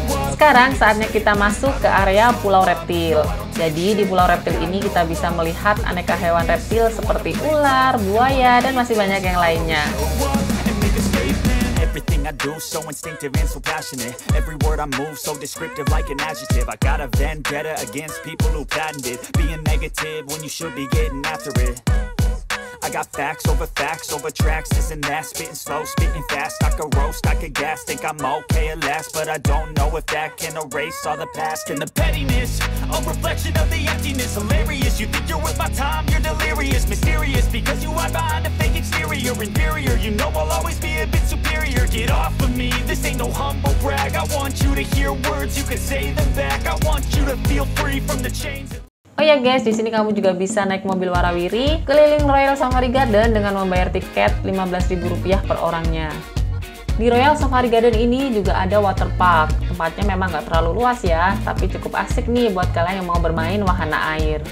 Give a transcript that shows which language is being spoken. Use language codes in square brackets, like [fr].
[id] Sekarang saatnya kita masuk ke area Pulau Reptil. Jadi di Pulau Reptil ini kita bisa melihat aneka hewan reptil seperti ular, buaya, dan masih banyak yang lainnya. [en] Everything. everything I do, so instinctive and so passionate. Every word I move, so descriptive like an adjective. I got a vendetta against people who patented being negative when you should be getting after it. I got facts over tracks, this and that. Spitting slow, spitting fast. I could roast, I could gas. Think I'm okay at last, but I don't know if that can erase all the past. And the pettiness, a reflection of the emptiness. Hilarious, you think you're worth my time, you're delirious. Mysterious, because you hide behind a fake exterior. Inferior, you know I'll always be a bit superior. Get off of me, this ain't no humble brag. I want you to hear words, you can say them back. I want you to feel free from the chains. [id] Oh ya guys, di sini kamu juga bisa naik mobil warawiri keliling Royal Safari Garden dengan membayar tiket Rp15.000 per orangnya. Di Royal Safari Garden ini juga ada waterpark. Tempatnya memang nggak terlalu luas ya, tapi cukup asik nih buat kalian yang mau bermain wahana air.